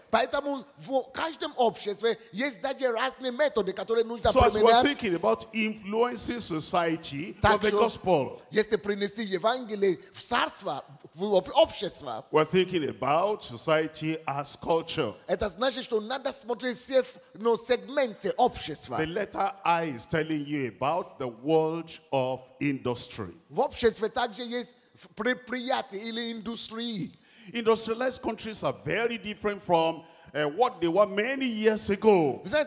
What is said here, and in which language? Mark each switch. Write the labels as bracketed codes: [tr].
[ru] Поэтому в каждом обществе есть даже разные методы, которые нужно применять. [en] So as we're thinking about influencing society of the gospel. [ru] Если принести Евангелие в царство, в общество. [en] We're thinking about society as culture. [ru] Это значит, что надо смотреть все сегменты общества. [en] The letter I is telling you about the world of industry. [ru] В обществе также есть предприятие или индустрии. [en] Industrialized countries are very different from what they were many years ago.